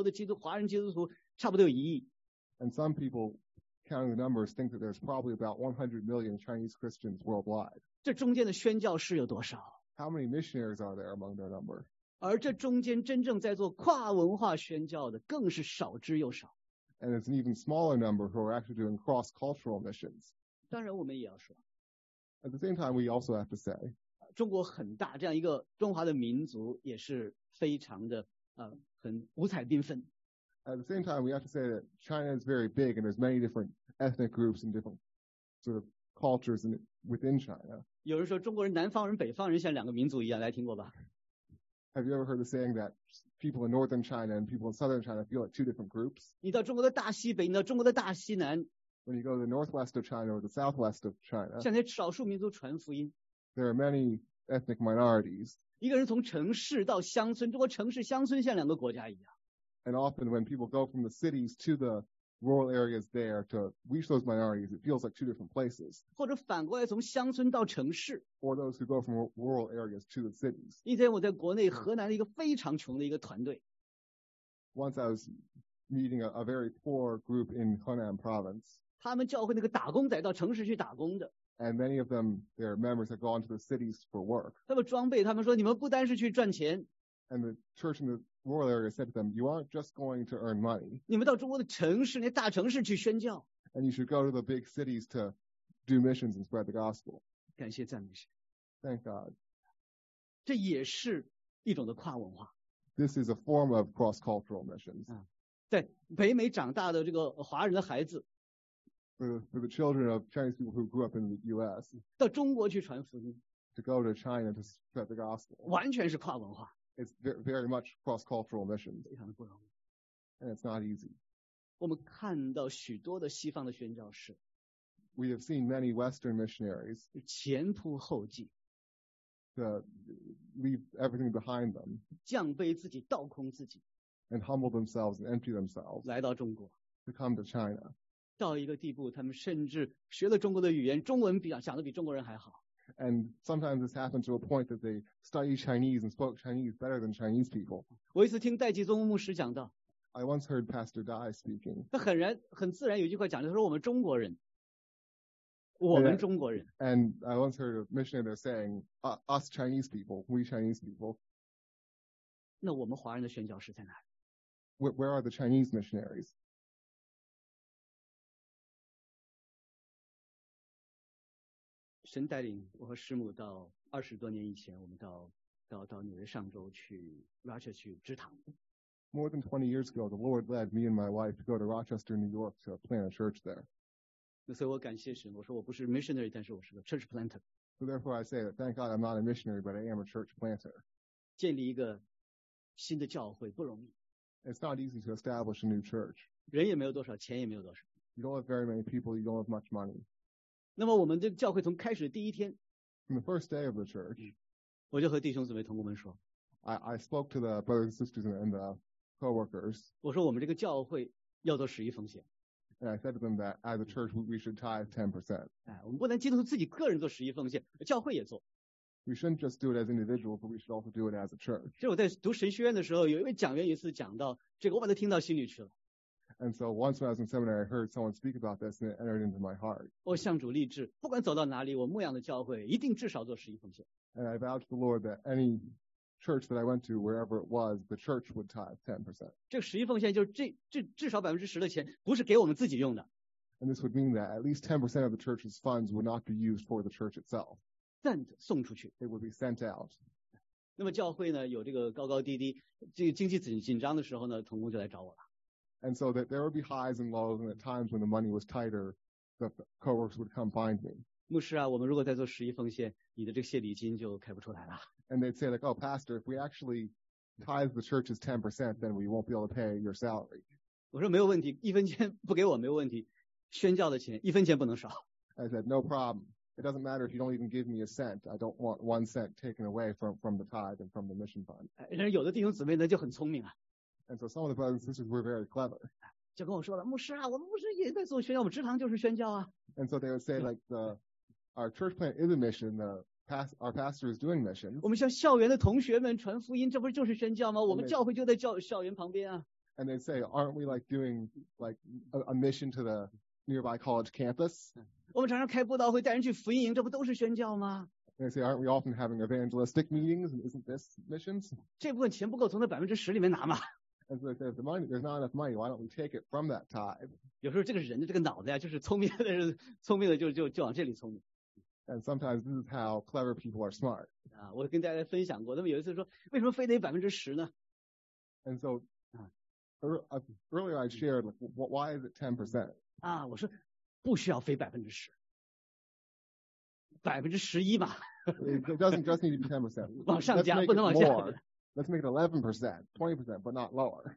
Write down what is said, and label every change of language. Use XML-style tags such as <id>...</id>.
<zh>有人统计基督徒大约全球的基督华人基督徒差不多有一亿。</zh> <en>And some people counting the numbers, think that there's probably about 100 million Chinese Christians worldwide.</en> <zh>这中间的宣教士有多少?</zh> <en>How many missionaries are there among their number?</en> <zh>而这中间真正在做跨文化宣教的更是少之又少。</zh> <en>And it's an even smaller number who are actually doing cross-cultural missions.</en> <zh>当然我们也要说,</zh> <en>At the same time, we also have to say,</en> <zh>中国很大, 这样一个中华的民族也是非常的, 很五彩缤纷。</zh> <en>At the same time, we have to say that China is very big and there's many different ethnic groups and different sort of cultures within China.</en> <zh>有人说中国人南方人北方人像两个民族一样,来听过吧?</zh> <en>Have you ever heard the saying that people in northern China and people in southern China feel like two different groups?</en> <zh>你到中国的大西北,你到中国的大西南,</zh> <en>when you go to the northwest of China or the southwest of China,</en> <zh>向那些少数民族传福音,</zh> <en>there are many ethnic minorities.</en> <zh>一个人从城市到乡村, 中国城市乡村像两个国家一样。</zh> <en>And often when people go from the cities to the rural areas there to reach those minorities, it feels like two different places.</en> <zh>或者反过来从乡村到城市,</zh> <en>or those who go from rural areas to the cities.</en> <zh>一天我在国内河南的一个非常穷的一个团队,</zh> <en>Once I was meeting a very poor group in Henan province.</en> <zh>他们教会那个打工仔到城市去打工的,</zh> <en>and many of them, their members had gone to the cities for work.</en> <zh>他们装备, 他们说, 你们不单是去赚钱,</zh> <en>and the church in the rural area said to them, you aren't just going to earn money.</en> <zh>你们到中国的城市, 那大城市去宣教,</zh> <en>and you should go to the big cities to do missions and spread the gospel.</en> <zh>感谢赞美神。</zh> <en>Thank God.</en> <zh>这也是一种的跨文化。</zh> <en>This is a form of cross-cultural missions.</en> <zh>在北美长大的这个华人的孩子,</zh> <en>for the children of Chinese people who grew up in the U.S.</en> <zh>到中国去传福音,</zh> <en>to go to China to spread the gospel.</en> <zh>完全是跨文化。</zh> <en>It's very much cross-cultural missions. And it's not easy.</en> <zh>我们看到许多的西方的宣教士,</zh> <en>we have seen many Western missionaries</en> <zh>前仆后继,</zh> <en>to leave everything behind them</en> <zh>降卑自己, 倒空自己,</zh> <en>and humble themselves and empty themselves</en> <zh>来到中国,</zh> <en>to come to China.</en> <zh>到一个地步, 他们甚至学了中国的语言, 中文比较, 讲得比中国人还好。</zh> <en>And sometimes this happened to a point that they studied Chinese and spoke Chinese better than Chinese people.</en> <zh>我一次听戴季宗牧师讲道,</zh> <en>I once heard Pastor Dai speaking.</en> <zh>他很自然有句话讲, 他说我们中国人, 我们中国人。</zh> <en>And I once heard a missionary saying, us Chinese people, we Chinese people.</en> <zh>那我们华人的宣教士在哪?</zh> <en>Where are the Chinese missionaries?</en> <zh>神带领我和师母到二十多年以前，我们到纽约上州去 Russia 去支堂。</zh> <en>More than 20 years ago, the Lord led me and my wife to go to Rochester, New York to plant a church there.</en> <zh>那所以我感谢神，我说我不是 missionary， 但是我是个 church planter.</zh> <en>So therefore, I say that thank God I'm not a missionary, but I am a church planter.</en> <zh>建立一个新的教会不容易。</zh> <en>It's not easy to establish a new church.</en> <zh>人也没有多少，钱也没有多少。</zh> <en>You don't have very many people. You don't have much money.</en> <zh>那么我们这个教会从开始的第一天</zh> <en>，From the first day of the church,</en> <zh>我就和弟兄姊妹同工们说</zh> <en>，I spoke to the brothers and sisters and the co-workers.</en> <zh>我说我们这个教会要做十一奉献。</zh> <en>And I said to them that as a church we should tithe 10%.</en> <zh>哎，我们不能基督徒自己个人做十一奉献，教会也做。</zh> <en>We shouldn't just do it as individuals, but we should also do it as a church.</en> <zh>这我在读神学院的时候，有一位讲员一次讲到这个，我把它听到心里去了。</zh> <en>And so once when I was in seminary, I heard someone speak about this, and it entered into my heart.</en> <zh>我向主立志，不管走到哪里，我牧养的教会一定至少做十一奉献。</zh> <en>And I vowed to the Lord that any church that I went to, wherever it was, the church would tithe 10%.</en> <zh>这十一奉献就是至少10%的钱，不是给我们自己用的。</zh> <en>And this would mean that at least 10% of the church's funds would not be used for the church itself.</en> <zh>送出去。</zh> <en>It would be sent out.</en> <zh>那么教会呢，有这个高高低低，这个经济紧张的时候呢，同工就来找我了。</zh> <en>And so that there would be highs and lows, and at times when the money was tighter, the co-workers would come find me.</en> <zh>牧师啊，我们如果再做十一奉献，你的这个谢礼金就开不出来了。</zh> <en>And they'd say like, oh, pastor, if we actually tithe the church's 10%, then we won't be able to pay your salary.</en> <zh>我说没有问题，一分钱不给我没有问题，宣教的钱一分钱不能少。</zh> <en>I said no problem. It doesn't matter if you don't even give me a cent. I don't want one cent taken away from the tithe and from the mission fund.</en> <zh>但是有的弟兄姊妹呢就很聪明啊。</zh> <en>And so some of the brothers and sisters were very clever.</en> <zh>就跟我说了，牧师啊，我们牧师也在做宣教，我们支堂就是宣教啊。</zh> <en>And so they would say like the our church plant is a mission. Our pastor is doing mission.</en> <zh>我们向校园的同学们传福音，这不就是宣教吗？我们教会就在校园旁边啊。</zh> <en>And they say, aren't we like doing like a mission to the nearby college campus?</en> <zh>我们常常开布道会，带人去福音营，这不都是宣教吗？</zh> <en>And they say, aren't we often having evangelistic meetings? And isn't this missions?</en> <zh>这部分钱不够，从那10%里面拿嘛。</zh> <en>And so they said, there's not enough money, why don't we take it from that tithe?</en> <zh>有时候这个人的这个脑子呀，就是聪明的就往这里聪明。</zh> <en>And sometimes this is how clever people are smart.</en> <zh>啊，我跟大家分享过，那么有一次说，为什么非得10%呢？</zh> <en>And so, earlier I shared, why is it 10%?</en> <zh>啊，我说不需要非10%。11%嘛。</zh> <en>It doesn't just need to be 10%.</en> <zh>往上加，不能往下。</zh> <en>Let's make it 11%, 20%, but not lower.</en>